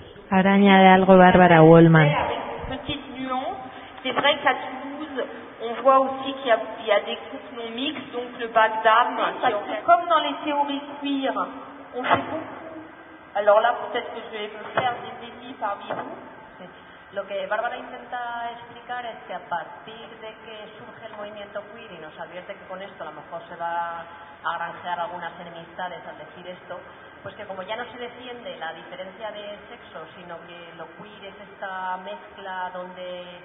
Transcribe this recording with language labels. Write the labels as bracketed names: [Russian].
[Spanish] Ahora añade algo Bárbara Wollman. [French] Petite nuance, c'est vrai qu'à Toulouse, on voit aussi qu'il y a des couples non mix, donc le bac d'âme. Comme dans les théories queer, on fait beaucoup. Alors là, peut-être que je vais me faire des ennemis parmi vous. [Spanish] Lo que Bárbara intenta explicar es que a partir de que surge el movimiento queer y nos advierte que con esto a lo mejor se va a granjear algunas enemistades al decir esto, pues que como ya no se defiende la diferencia de sexo, sino que lo queer es esta mezcla donde